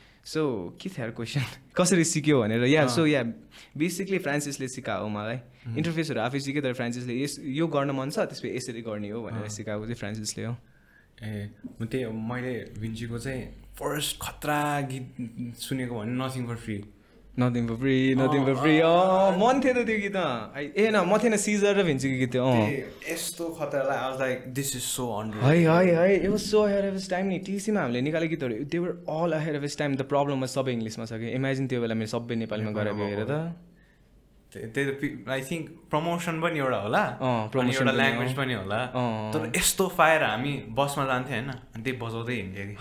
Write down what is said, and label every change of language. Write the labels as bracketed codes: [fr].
[ne] So के थियो question, कसरी सिक्यो भनेर? या सो या बेसिकली फ्रान्सिसले सिकायो मलाई, इन्टरफेसहरू आफै सिकेँ, तर फ्रान्सिसले यस यो गर्न मन छ त्यसपछि यसरी गर्ने हो भनेर सिकाएको चाहिँ फ्रान्सिसले हो. ए त्यही हो, मैले भिन्चीको चाहिँ फर्स्ट खतरा गीत सुनेको भने नथिङ फर फ्री मन थियो त त्यो गीत, ए न म थिएन, सिजर र भिन्चीको गीत थियो. यस्तो खतरालाई [en] I was like this is so unreal, है है है, it was so ahead of its time नि. [ne] टिसीमा हामीले निकालेको गीतहरू [en] they were all ahead of its time, the problem was [ne] सबै इङ्ग्लिसमा छ कि. इमेजिन त्यो बेला मेरो सबै नेपालीमा गएर हेर त, त्यही त [en] I think [ne] प्रमोसन पनि एउटा होला, एउटा ल्याङ्ग्वेज पनि होला. तर यस्तो फायर हामी बसमा जान्थ्यौँ होइन, अनि त्यही बजाउँदै हिँड्थ्यो